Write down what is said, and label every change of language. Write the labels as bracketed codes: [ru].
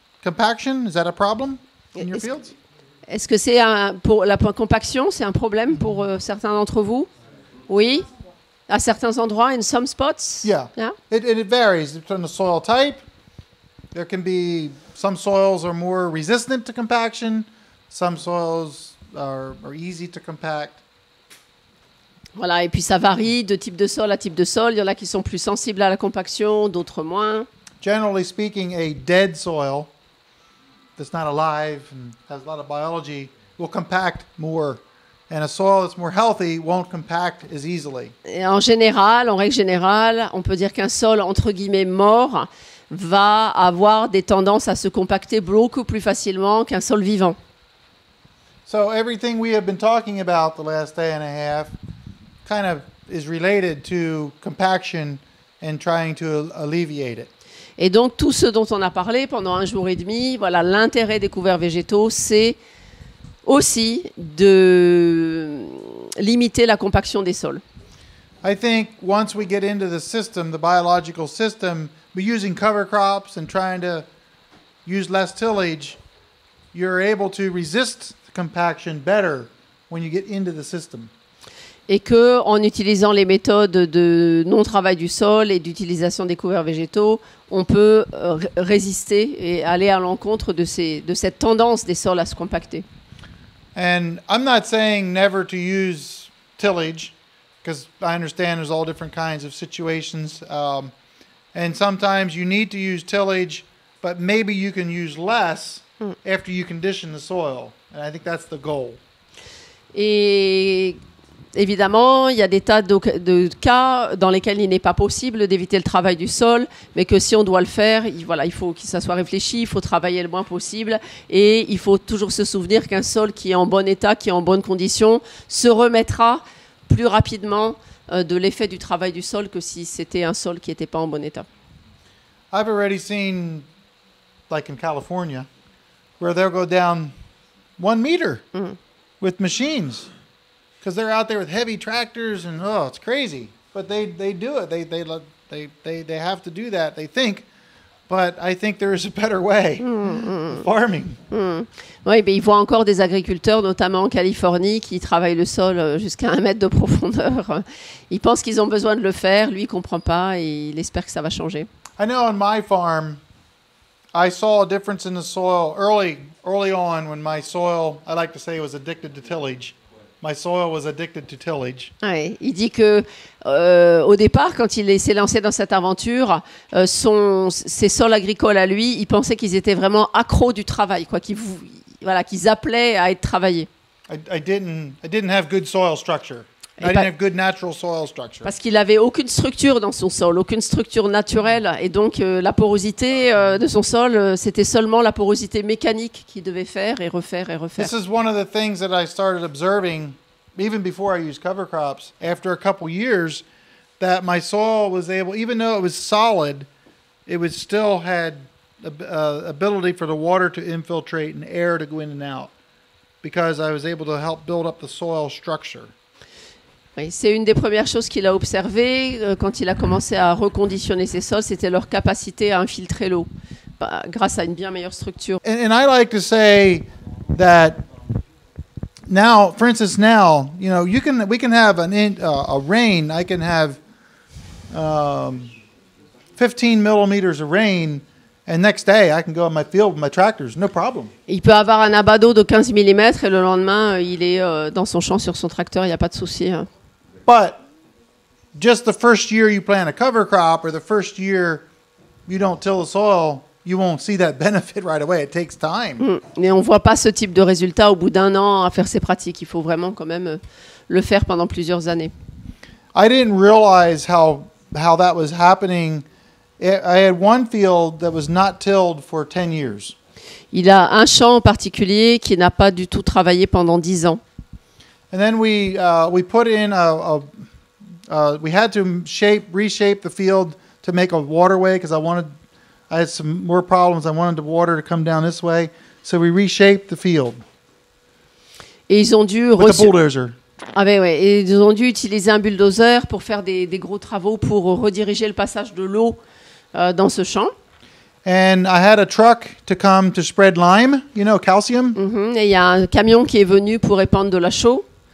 [en] Compaction, is that a problem in your fields? [fr] Est-ce que c'est pour la compaction, c'est un problème pour certains d'entre vous? Oui. À certains endroits, [en] in some spots. Yeah. It varies depending on the soil type. There can be some soils are more resistant to compaction. Some soils are easy to compact. [fr] Voilà, et puis ça varie de type de sol à type de sol. Il y en a qui sont plus sensibles à la compaction, d'autres moins. [en] Generally speaking, a dead soil that's not alive and has a lot of biology will compact more. And a soil that's more healthy won't compact as easily. [fr] Et en général, en règle générale, on peut dire qu'un sol entre guillemets mort va avoir des tendances à se compacter beaucoup plus facilement qu'un sol vivant. [en] So everything we have been talking about the last day and a half kind of is related to compaction and trying to alleviate it. [fr] Et donc tout ce dont on a parlé pendant un jour et demi, voilà, l'intérêt des couverts végétaux, c'est aussi de limiter la compaction des sols. [en] I think once we get into the system, the biological system, by using cover crops and trying to use less tillage, you're able to resist compaction better when you get into the system. [fr] Et que en utilisant les méthodes de non-travail du sol et d'utilisation des couverts végétaux, on peut résister et aller à l'encontre de cette tendance des sols à se compacter. [en] And I'm not saying never to use tillage, because I understand there's all different kinds of situations. And sometimes you need to use tillage, but maybe you can use less after you condition the soil. And I think that's the goal. [fr] Et évidemment, il y a des tas de cas dans lesquels il n'est pas possible d'éviter le travail du sol, mais que si on doit le faire, voilà, il faut que ça soit réfléchi, il faut travailler le moins possible, et il faut toujours se souvenir qu'un sol qui est en bon état, qui est en bonne condition, se remettra plus rapidement de l'effet du travail du sol que si c'était un sol qui n'était pas en bon état. [en] I've already seen, like in California, where they'll go down 1 meter with machines. Because they're out there with heavy tractors and oh, it's crazy. But they do it. They have to do that. They think. But I think there is a better way. Farming. [fr] Oui, mais ils voient encore des agriculteurs, notamment en Californie, qui travaillent le sol jusqu'à 1 mètre de profondeur. Ils pensent qu'ils ont besoin de le faire. Lui, il comprend pas et il espère que ça va changer. [en] I know on my farm, I saw a difference in the soil early on when my soil, I like to say, was addicted to tillage. My soil was addicted to tillage. [fr] Ouais, il dit que au départ, quand il s'est lancé dans cette aventure, ses sols agricoles à lui, il pensait qu'ils étaient vraiment accros du travail, quoi, qu'ils appelaient à être travaillés. [en] I didn't have good soil structure. I didn't have good natural soil structure. [fr] Parce qu'il avait aucune structure dans son sol, aucune structure naturelle, et donc la porosité de son sol, c'était seulement la porosité mécanique qu'il devait faire et refaire et refaire. [en] This is one of the things that I started observing, even before I used cover crops, after a couple years, that my soil was able, even though it was solid, it was still had ability for the water to infiltrate and air to go in and out, because I was able to help build up the soil structure. [fr] Oui, c'est une des premières choses qu'il a observées quand il a commencé à reconditionner ses sols, c'était leur capacité à infiltrer l'eau grâce à une bien meilleure structure. [en] And I like to say that now, for instance, now, you know, we can have a rain. I can have 15 millimeters of rain. And next day, I can go on my field with my tractors, no problem. [fr] Il peut avoir un abat d'eau de 15 mm et le lendemain, il est dans son champ sur son tracteur, il n'y a pas de souci. [en] But just the first year you plant a cover crop or the first year you don't till the soil, you won't see that benefit right away. It takes time. [fr] Mais on ne voit pas ce type de résultat au bout d'un an à faire ces pratiques. Il faut vraiment quand même le faire pendant plusieurs années. [en] I didn't realize how that was happening. I had one field that was not tilled for 10 years. [fr] Il a un champ en particulier qui n'a pas du tout travaillé pendant 10 ans. [en] And then we put in we had to reshape the field to make a waterway because I had some more problems. I wanted the water to come down this way. So we reshaped the field. [fr] Et ils ont dû ils ont dû utiliser un bulldozer pour faire des gros travaux pour rediriger le passage de l'eau dans ce champ. [en] And I had a truck to come to spread lime, you know, calcium. Mm-hmm. [fr] Et il y a un camion qui est venu pour répandre de la chaux.